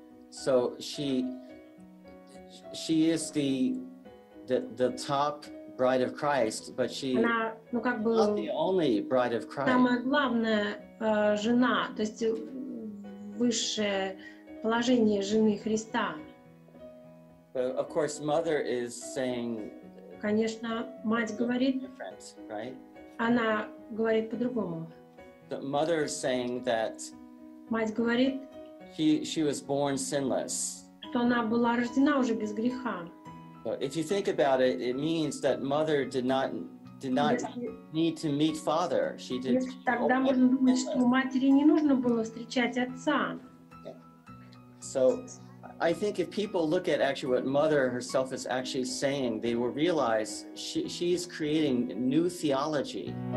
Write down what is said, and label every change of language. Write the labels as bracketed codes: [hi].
[en] So she is the top bride of Christ, but she is not the only bride of Christ. [ru] Самая главная жена, то есть высшее положение жены Христа. [en] But of course, mother is saying. [ru] Конечно, мать говорит. [en] Different, right? [ru] Она говорит по-другому. [en] The mother is saying that. [ru] Мать говорит. [en] She was born sinless. [ru] Что она была рождена уже без греха. [en] If you think about it, it means that mother did not did not need to meet father. She did. [ru] Тогда мы думаем, что матери не нужно было встречать отца. [en] So, I think if people look at actually what mother herself is actually saying, they will realize she is creating new theology.